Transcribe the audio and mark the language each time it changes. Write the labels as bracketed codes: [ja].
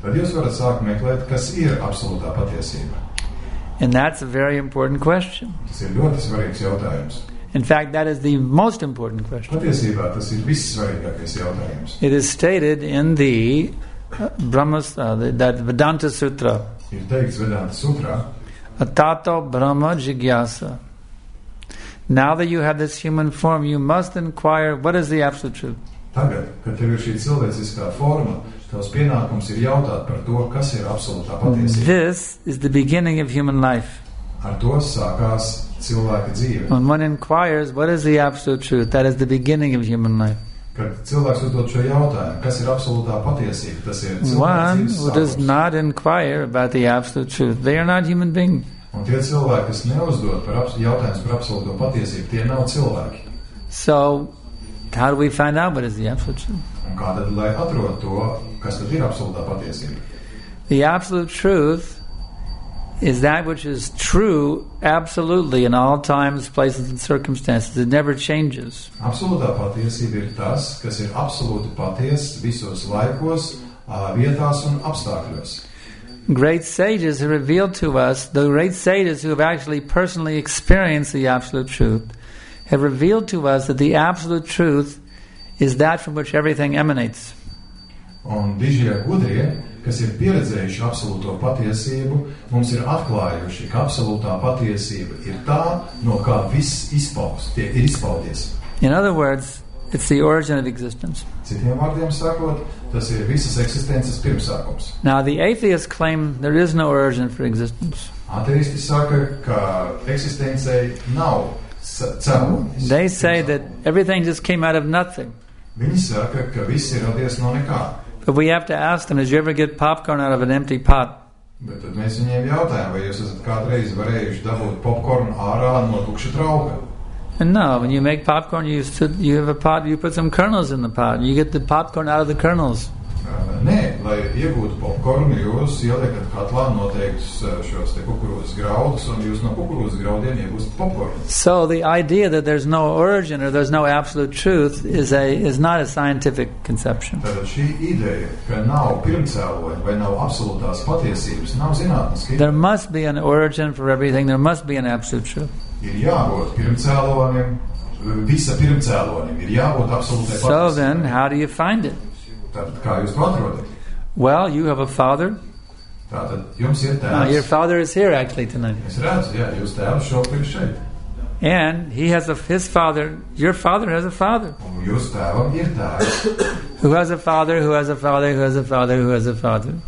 [lv] Tad jūs varat sākt meklēt, kas ir absolūtā patiesība. [en] And that's a very important question. [lv] Tas ir ļoti svarīgs jautājums. [en] In fact, that is the most important question. [lv] Patiesībā tas ir vissvarīgākais jautājums. [en] It is stated in the that Vedanta Sutra. [lv] Ir teikts Vedanta Sutra. [sa] Atato Brahma Jigyasa. [en] Now that you have this human form, you must inquire, what is the absolute truth? [lv] Tagad, kad tev ir šī cilvēciskā forma, tavs pienākums ir jautāt par to, kas ir absolūtā patiesība. [en] This is the beginning of human life. [lv] Ar to sākās cilvēka dzīve. [en] When one inquires, what is the absolute truth? That is the beginning of human life. [lv] Kad cilvēks uzdod šo jautājumu, kas ir absolūtā patiesība, tas ir cilvēka dzīves sākums. [en] One who does not inquire about the absolute truth, they are not human beings. [lv] Un tie cilvēki, kas neuzdod par jautājumus par absolūto patiesību, tie nav cilvēki. [en] So, how do we find out what is the absolute truth? [lv] Un kā tad, lai atrod to, kas tad ir absolūtā patiesība? [en] The absolute truth is that which is true absolutely in all times, places, and circumstances. It never changes. [lv] Absolūtā patiesība ir tas, kas ir absolūti paties visos laikos, vietās un apstākļos. [en] Great sages have revealed to us, the great sages who have actually personally experienced the absolute truth, have revealed to us that the absolute truth is that from which everything emanates. [lv] Un dižie gudrie, kas ir pieredzējuši absolūto patiesību, mums ir atklājuši, ka absolūtā patiesība ir tā, no kā viss izpaus, tie ir izpaudies. [en] In other words, it's the origin of existence. [lv] Citiem vārdiem sakot, tas ir visas eksistences pirmsākums. [en] Now, the atheists claim there is no origin for existence. [lv] Ateisti saka, ka eksistencei nav cēlonis. [en] They say that everything just came out of nothing. [lv] Viņi saka, ka viss ir radies no nekā. [en] But we have to ask them, did you ever get popcorn out of an empty pot? [lv] Bet tad mēs viņiem jautājam, vai jūs esat kādreiz varējuši dabūt popcorn ārā no tukša trauka? [en] No, when you make popcorn, you have a pot, you put some kernels in the pot, you get the popcorn out of the kernels. [lv] Nē, lai iegūtu popcorn, jūs ieliekat katlā noteiktus šos te kukurūzas graudus, un jūs no kukurūzas graudiem iegūstat popcorn. [en] So the idea that there's no origin or there's no absolute truth is not a scientific conception. [lv] Tātad šī ideja, ka nav pirmcēloņa vai nav absolūtās patiesības, nav zinātniski. [en] There must be an origin for everything, there must be an absolute truth. [lv] Ir jābūt pirmcēloņiem, visa pirmcēloņiem, ir jābūt absolūtai patiesībai. [en] So then, how do you find it? [lv] Tātad, kā jūs to atrodat? [en] Well, you have a father. [lv] Tātad, jums ir tēvs. [en] No, your father is here, actually, tonight. [lv] Es redzu, jā, jūs tēvs šobrīd šeit. [en] And he has his father, your father has a father. [lv] Un jūs tēvam ir tēvs. [en] Who has a father, who has a father, who has a father, who has a father.